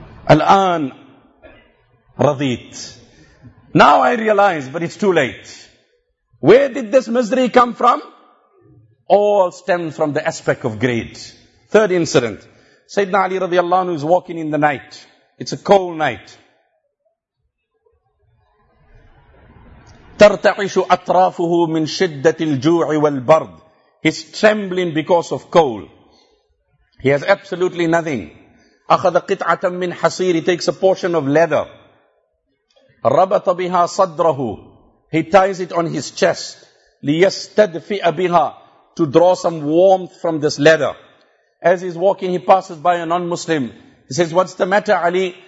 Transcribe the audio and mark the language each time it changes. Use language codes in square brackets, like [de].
[ar] الآن رضيت. [en] Now I realize, but it's too late. Where did this misery come from? All stems from the aspect of greed. Third incident. Sayyidina Ali radiallahu anhu is walking in the night. It's a cold night. [ar] تَرْتَعِشُ أَطْرَافُهُ مِنْ شِدَّةِ الْجُوعِ وَالْبَرْدِ, [en] he's trembling because of coal. He has absolutely nothing. [ar] أَخَذَ قِطْعَةً مِّنْ حَصِيرِ, [en] he takes a portion of leather. [ar] رَبَطَ بِهَا صَدْرَهُ, [en] he ties it on his chest. [ar] لِيَسْتَدْفِئَ بِهَا, [en] to draw some warmth from this leather. As he's walking, he passes by a non-Muslim. He says, what's the matter, Ali?